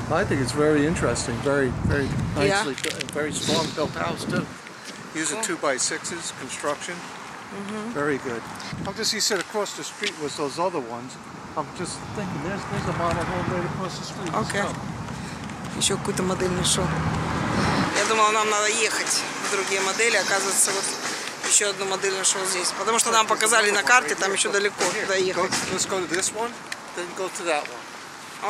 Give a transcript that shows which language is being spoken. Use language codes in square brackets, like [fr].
[en] I think it's very interesting, very, very nicely built, very strong built house too. Using 2x6s construction. Mm-hmm. Very good. I'm just, he said across the street was those other ones. I'm just thinking there's a model home right across the street. Okay. [ru] Еще какую-то модель нашел. Я думала, нам надо ехать в другие модели. Оказывается, вот еще одну модель нашел здесь. Потому что нам показали на карте, там еще далеко туда ехать. [en] Let's go to this one, then go to that one.